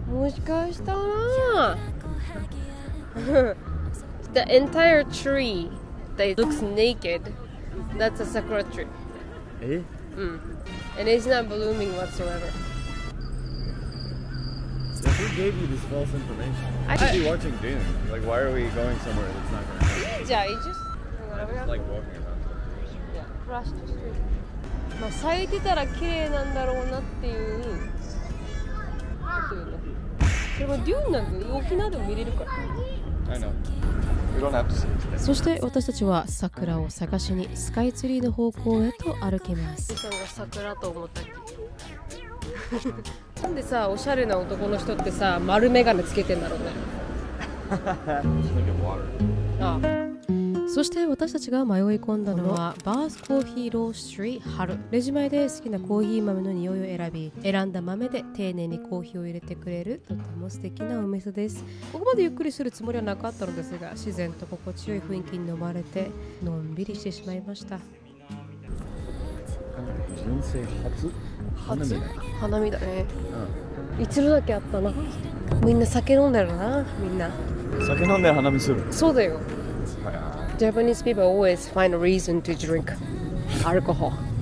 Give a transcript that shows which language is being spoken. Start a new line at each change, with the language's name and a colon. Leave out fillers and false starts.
Japanese: もしかしたら
English: The entire tree that looks naked, that's a sakura tree.
Japanese: え？
English: うん。 And it's not blooming whatsoever. Who gave you this false information? I should be watching Dune. Like, why are we going somewhere that's not going to happen? Yeah, you just... I just like walking around. Yeah, rush the street.
Japanese: まあ、咲いてたら綺麗なんだろうなっていう。それも Dune なんで、沖縄でも見れるから。
English: I know. We don't have to see it today.
Japanese: そして私たちは桜を探しにスカイツリーの方向へと歩きます。さんが桜と思ったっけ？なんでさ、おしゃれな男の人ってさ、丸メガネつけてんだろうね。そして私たちが迷い込んだのはバースコーヒーロースリーハル。レジ前で好きなコーヒー豆の匂いを選び、選んだ豆で丁寧にコーヒーを入れてくれるとても素敵なお店です。ここまでゆっくりするつもりはなかったのですが、自然と心地よい雰囲気に飲まれてのんびりしてしまいました。人生初花見だ。花見だね。うん、一度だけあったな。みんな酒飲んだよな、みんな。酒飲んで花見する。そうだよ。
English: Japanese people always find a reason to drink alcohol.